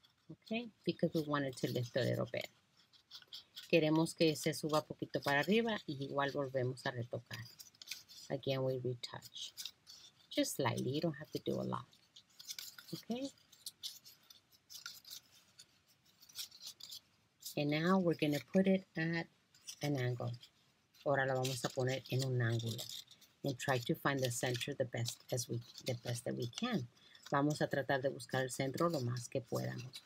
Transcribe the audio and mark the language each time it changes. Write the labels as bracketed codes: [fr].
[en] Okay, because we wanted to lift a little bit. [es] Queremos que se suba poquito para arriba y igual volvemos a retocar. [en] Again, we retouch. Just slightly, you don't have to do a lot. Okay? And now we're going to put it at an angle. [es] Ahora lo vamos a poner en un ángulo. [en] And try to find the center the best that we can. [es] Vamos a tratar de buscar el centro lo más que podamos.